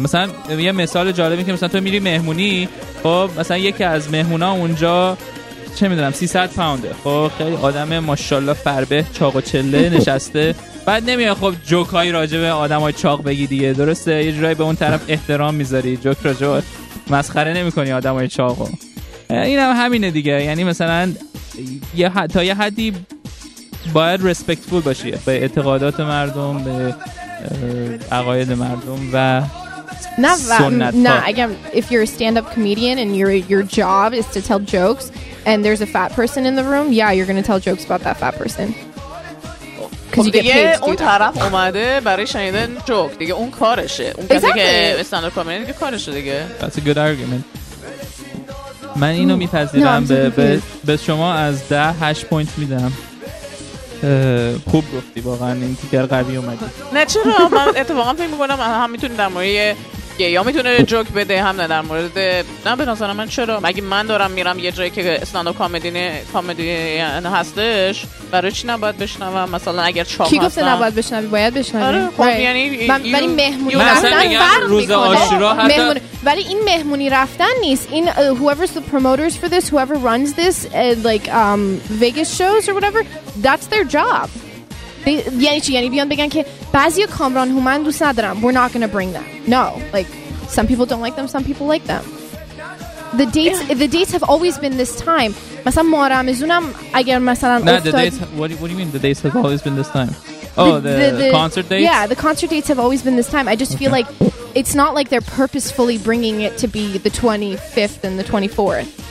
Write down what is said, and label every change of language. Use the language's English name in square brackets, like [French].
[Persian] مثلا یه مثال جالبی که مثلا تو میری مهمونی، خب مثلا یکی از مهمونا اونجا چه میدونم 300 پاونده، خب خیلی آدم ماشاءالله فربه چاق و چله نشسته، بعد نمیای خب جوکای راجبه آدمای چاق بگی دیگه، درسته یه جورایی به اون طرف احترام میذاری، جوک راجو مسخره نمیکنی آدمای چاقو، اینم هم همینه دیگه. یعنی مثلا تا یه حدی باید ریسپکتفول باشی به اعتقادات مردم، به عقاید مردم و سنت ها. نه اگر [English] if you're a stand up comedian and your job is to tell jokes and there's a fat person in the room, yeah you're gonna tell jokes about that fat person. [Persian] دیگه اون طرف اومده برای شنیدن جوک، دیگه اون کارشه، اون کسی که استند اپ کامیدین دیگه کارشه دیگه. [English] That's a good argument. [Persian] من اینو میپذیرم، به شما از 10 8 پوینت میدم. خوب گفتی واقعا، این تیکر قوی اومدی. نه چرا، من اتفاقا فکر میکنم هم میتونه در مورد یه یا میتونه جوک بده، هم در مورد نه به نظر من چرا، مگه من دارم میرم یه جایی که استند اپ کامیدین هستش برای چی نباید بشنوم؟ مثلا اگر چاق هستم کی گفته نباید بشنوی؟ باید بشنوی. آره خب یعنی ولی مهمونی رفتن روز عاشورا مهمونی، ولی این مهمونی رفتن نیست، این [English] whoever's the promoters for this, whoever runs this like Vegas shows or whatever, that's their job. [Persian] یعنی چی؟ یعنی بیان بگن که بعضی کامران هومن دوست ندارم. [English] We're not gonna bring them. No. Like, some people don't like them, some people like them. The dates have always been this time. [Persian] مثلا محرم زونم اگر مثلا افتاد... [English] No, the dates... What do you mean the dates have always been this time? Oh, the concert dates? Yeah, the concert dates have always been this time. I just feel like it's not like they're purposefully bringing it to be the 25th and the 24th.